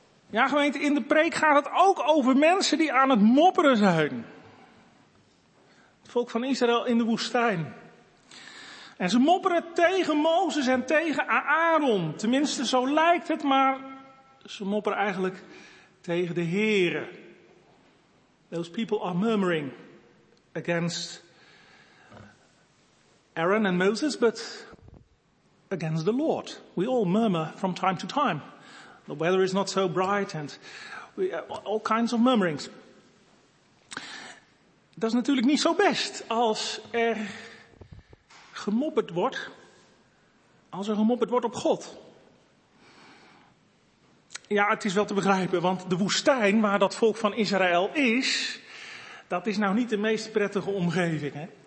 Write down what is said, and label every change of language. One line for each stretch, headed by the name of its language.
Dutch: Ja, gemeente, in de preek gaat het ook over mensen die aan het mopperen zijn. Het volk van Israël in de woestijn. En ze mopperen tegen Mozes en tegen Aaron. Tenminste, zo lijkt het, maar ze mopperen eigenlijk tegen de Here.
English: Those people are murmuring against Aaron and Moses, but against the Lord. We all murmur from time to time. The weather is not so bright and we all kinds of murmurings.
Dutch: Dat is natuurlijk niet zo best als er gemopperd wordt, als er gemopperd wordt op God. Ja, het is wel te begrijpen, want de woestijn waar dat volk van Israël is, dat is nou niet de meest prettige omgeving, hè?